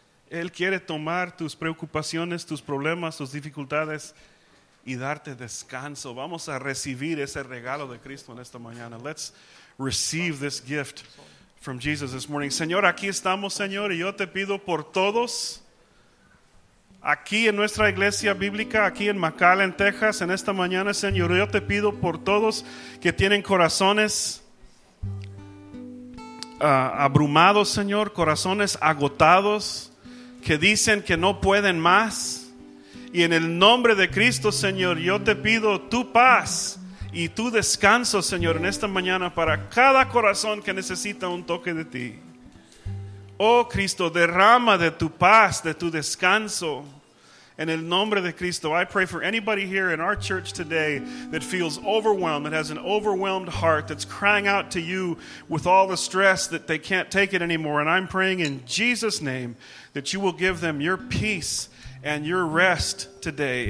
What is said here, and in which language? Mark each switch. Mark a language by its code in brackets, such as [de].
[es] Él quiere tomar tus preocupaciones, tus problemas, tus dificultades y darte descanso. Vamos a recibir ese regalo de Cristo en esta mañana. [en] Let's receive this gift from Jesus this morning. [es] Señor, aquí estamos, Señor, y yo te pido por todos. Aquí en nuestra iglesia bíblica, aquí en McAllen, Texas, en esta mañana, Señor, yo te pido por todos que tienen corazones abrumados, Señor, corazones agotados, que dicen que no pueden más. Y en el nombre de Cristo, Señor, yo te pido tu paz y tu descanso, Señor, en esta mañana para cada corazón que necesita un toque de ti. Oh Cristo, derrama de tu paz, de tu descanso. En el nombre de Cristo, [en] I pray for anybody here in our church today that feels overwhelmed, that has an overwhelmed heart, that's crying out to you with all the stress that they can't take it anymore. And I'm praying in Jesus' name that you will give them your peace and your rest today.